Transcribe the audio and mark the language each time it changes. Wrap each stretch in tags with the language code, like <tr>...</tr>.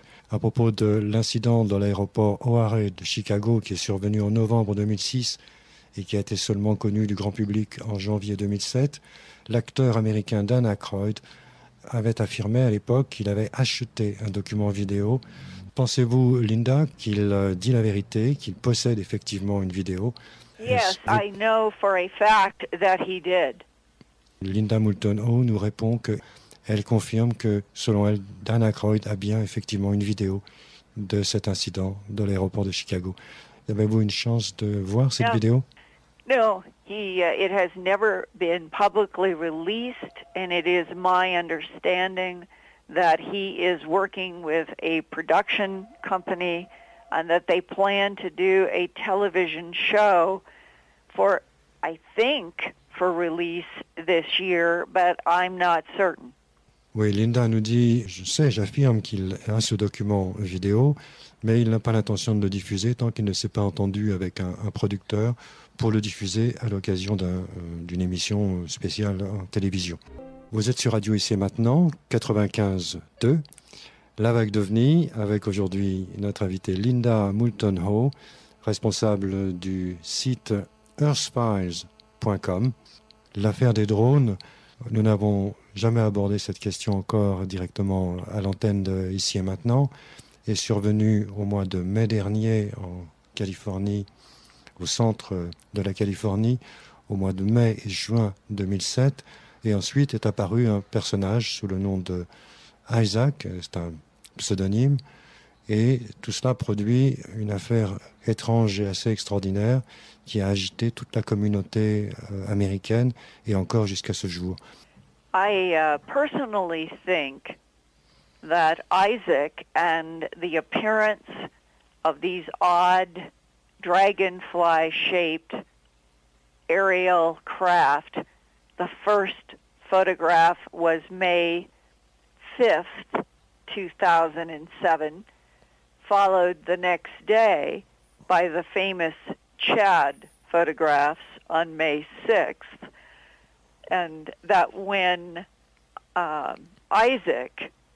<fr>À propos de l'incident dans l'aéroport O'Hare de Chicago qui est survenu en novembre 2006 et qui a été seulement connu du grand public en janvier 2007, l'acteur américain Dan Aykroyd avait affirmé à l'époque qu'il avait acheté un document vidéo. Pensez-vous, Linda, qu'il dit la vérité, qu'il possède effectivement une vidéo?</fr> <en>Yes, I know for a fact that he did.</en> <fr>Linda Moulton Howe nous répond qu'elle confirme que, selon elle, Dan Aykroyd a bien effectivement une vidéo de cet incident de l'aéroport de Chicago. Avez-vous une chance de voir cette vidéo?</fr> <en>No, it has never been publicly released, and it is my understanding that he is working with a production company and that they plan to do a television show for, I think, for release this year, but I'm not certain.</en> <fr>Oui, Linda nous dit, je sais, j'affirme qu'il a ce document vidéo, mais il n'a pas l'intention de le diffuser tant qu'il ne s'est pas entendu avec un producteur pour le diffuser à l'occasion d'une émission spéciale en télévision. Vous êtes sur Radio IC maintenant, 95.2, La Vague d'OVNI, avec aujourd'hui notre invitée Linda Moulton Howe, responsable du site earthspies.com. L'affaire des drones, nous n'avons jamais abordé cette question encore directement à l'antenne de IC maintenant, est survenue au mois de mai dernier en Californie, au centre de la Californie, au mois de mai et juin 2007. Et ensuite est apparu un personnage sous le nom de Isaac, c'est un pseudonyme, et tout cela produit une affaire étrange et assez extraordinaire qui a agité toute la communauté américaine et encore jusqu'à ce jour.</fr> <en>I personally think that Isaac and the appearance of these odd dragonfly-shaped aerial craft, the first photograph was May 5th, 2007, followed the next day by the famous Chad photographs on May 6th, and that when Isaac</en>